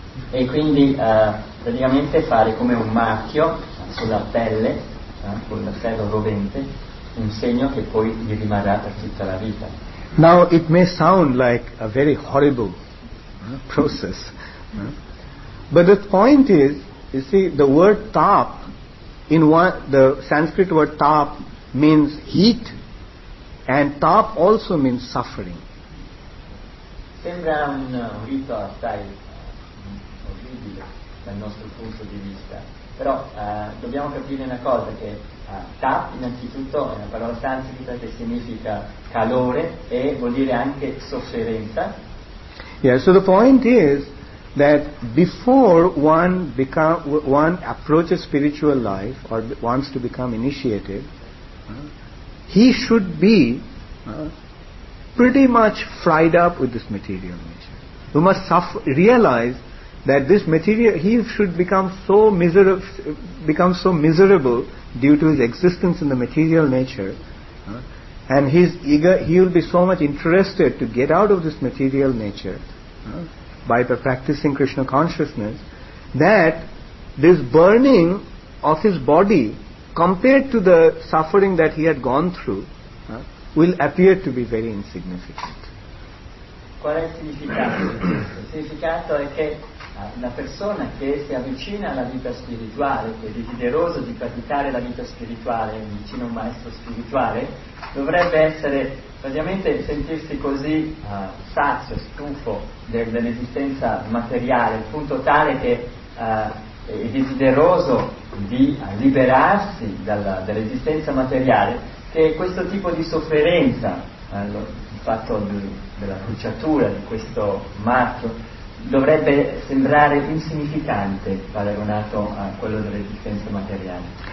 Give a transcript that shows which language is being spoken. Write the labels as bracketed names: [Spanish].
[Italian] e quindi praticamente fare come un marchio sulla pelle, con la pelle rovente, un segno che poi gli rimarrà per tutta la vita. [English] Now it may sound like a very horrible process, but the point is, you see, the word tap, in one, the Sanskrit word tap means heat, and tap also means suffering. [Italian] Sembra un rito assai orribile dal nostro punto di vista, però dobbiamo capire una cosa, che tap innanzitutto è una parola sanscrita che significa calore e vuol dire anche sofferenza. [English] Yeah, so the point is that before one become, one approaches spiritual life or wants to become initiated, he should be pretty much fried up with this material nature. You must realize that this material, he should become so miserable, due to his existence in the material nature, and he's eager, he will be so much interested to get out of this material nature by practicing Krishna consciousness, that this burning of his body compared to the suffering that he had gone through will appear to be very insignificant. [Italian] Qual è il significato? Il significato è che una persona che si avvicina alla vita spirituale, che è desideroso di praticare la vita spirituale vicino a un maestro spirituale, dovrebbe essere praticamente sentirsi così sazio, stufo dell'esistenza materiale, in punto tale che è desideroso di liberarsi dall'esistenza materiale, che questo tipo di sofferenza, il fatto della bruciatura di questo marchio, dovrebbe sembrare insignificante paragonato a quello dell'esistenza materiale.